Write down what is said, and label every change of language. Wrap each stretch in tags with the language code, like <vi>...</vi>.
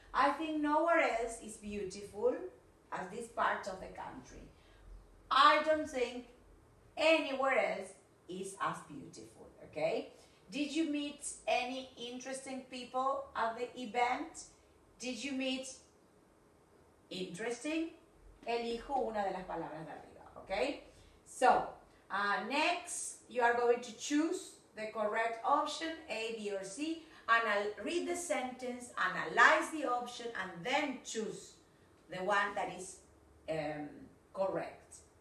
<en>I think nowhere else is beautiful as this part of the country. I don't think anywhere else is as beautiful, okay? Did you meet any interesting people at the event? Did you meet interesting?</en> <es>Elijo una de las palabras de arriba, okay?</es> <en>So, next, you are going to choose the correct option, A, B, or C, and I'll read the sentence, analyze the option, and then choose the one that is correct.</en>